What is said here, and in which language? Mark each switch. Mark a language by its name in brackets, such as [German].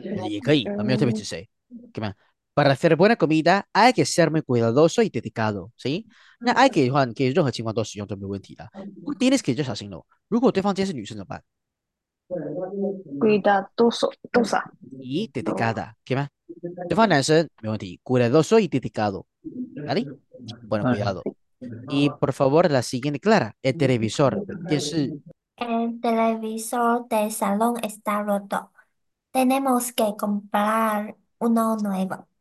[Chinese] 也可以，没有特别指谁，可以吗？ [Spanish] Para hacer buena comida hay que ser muy cuidadoso y dedicado, ¿sí? [Chinese] 那 hay que 的话，你可以任何情况都使用都没问题的。不过 tienes que 就小心了，如果对方今天是女生怎么办？ [Spanish] cuidadoso, dosa, Y dosa. dedicada, ¿qué más? [Chinese] 对方男生没问题， [Spanish] cuidadoso y dedicado, ¿vale? Bueno, cuidado. Y por favor, la siguiente, Clara, el televisor, 电视。 El televisor del salón está roto. Tenemos que comprar uno nuevo.